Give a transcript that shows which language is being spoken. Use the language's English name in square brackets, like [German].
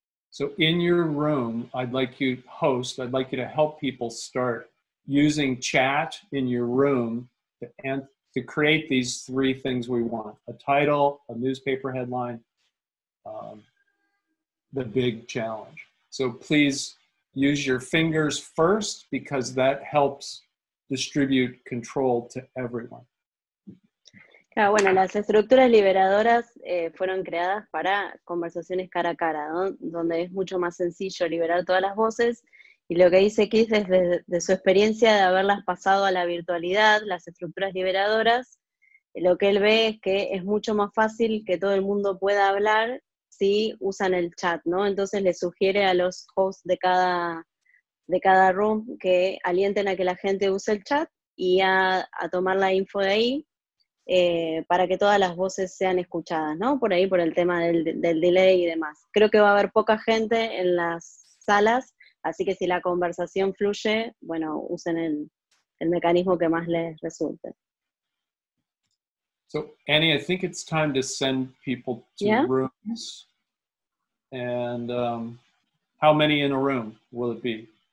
[English] So in your room, I'd like you to help people start using chat in your room to create these three things we want: a title, a newspaper headline, the big challenge. So please use your fingers first, because that helps distribute control to everyone. [Spanish] Claro, bueno, las estructuras liberadoras fueron creadas para conversaciones cara a cara, ¿no? Donde es mucho más sencillo liberar todas las voces. Y lo que dice Keith es de su experiencia de haberlas pasado a la virtualidad, las estructuras liberadoras, lo que él ve es que es mucho más fácil que todo el mundo pueda hablar si usan el chat, ¿no? Entonces le sugiere a los hosts de cada room que alienten a que la gente use el chat y a tomar la info de ahí para que todas las voces sean escuchadas, ¿no? Por ahí, por el tema del delay y demás. Creo que va a haber poca gente en las salas, así que si la conversación fluye, bueno, usen el mecanismo que más les resulte. [English] So, Annie, I think it's time to send people to rooms. And how many in a room will it be?